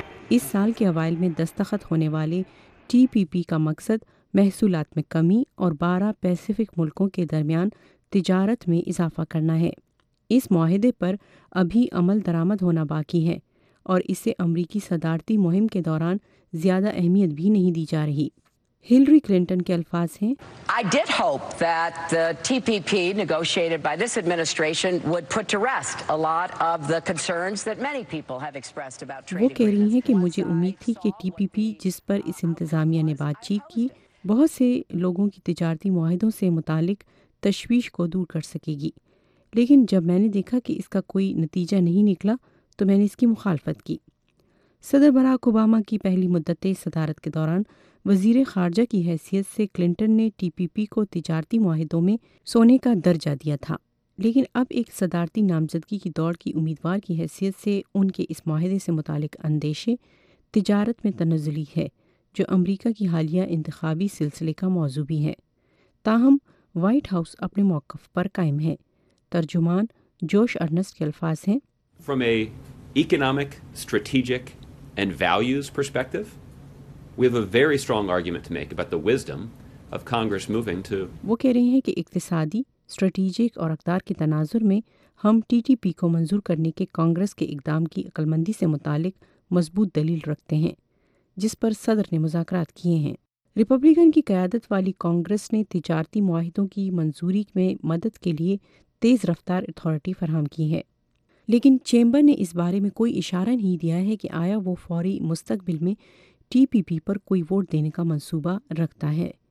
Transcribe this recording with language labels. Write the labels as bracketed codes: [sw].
[ur] اس سال کے اوائل میں دستخط ہونے والے ٹی پی پی کا مقصد محصولات میں کمی اور 12 پیسیفک ملکوں کے درمیان تجارت میں اضافہ کرنا ہے. اس معاہدے پر ابھی عمل درآمد ہونا باقی ہے اور اسے امریکی صدارتی مہم کے دوران زیادہ اہمیت بھی نہیں دی جا رہی. ہلری کلنٹن کے الفاظ ہیں, [en] I did hope that the TPP negotiated by this administration would put to rest a lot of the concerns that many people have expressed about trade. [ur] وہ کہہ رہی ہیں کہ مجھے امید تھی کہ ٹی پی پی جس پر اس انتظامیہ نے بات چیت کی بہت سے لوگوں کی تجارتی معاہدوں سے متعلق تشویش کو دور کر سکے گی, لیکن جب میں نے دیکھا کہ اس کا کوئی نتیجہ نہیں نکلا تو میں نے اس کی مخالفت کی. صدر براک اوباما کی پہلی مدت صدارت کے دوران وزیر خارجہ کی حیثیت سے کلنٹن نے ٹی پی پی کو تجارتی معاہدوں میں سونے کا درجہ دیا تھا, لیکن اب ایک صدارتی نامزدگی کی دوڑ کی امیدوار کی حیثیت سے ان کے اس معاہدے سے متعلق اندیشے تجارت میں تنزلی ہے جو امریکہ کی حالیہ انتخابی سلسلے کا موضوع بھی ہے. تاہم وائٹ ہاؤس اپنے موقف پر قائم ہے. ترجمان جوش ارنسٹ کے الفاظ ہیں, [en] From a economic, strategic and values perspective, we have a very strong argument to make about the wisdom of Congress moving to. [ur] وہ کہہ رہے ہیں کہ اقتصادی, اسٹریٹیجک اور اقدار کے تناظر میں ہم ٹی ٹی پی کو منظور کرنے کے کانگریس کے اقدام کی عقل مندی سے متعلق مضبوط دلیل رکھتے ہیں جس پر صدر نے مذاکرات کیے ہیں. ریپبلکن کی قیادت والی کانگریس نے تجارتی معاہدوں کی منظوری میں مدد کے لیے تیز رفتار اتھارٹی فراہم کی ہے, لیکن چیمبر نے اس بارے میں کوئی اشارہ نہیں دیا ہے کہ آیا وہ فوری مستقبل میں ٹی پی پی پر کوئی ووٹ دینے کا منصوبہ رکھتا ہے.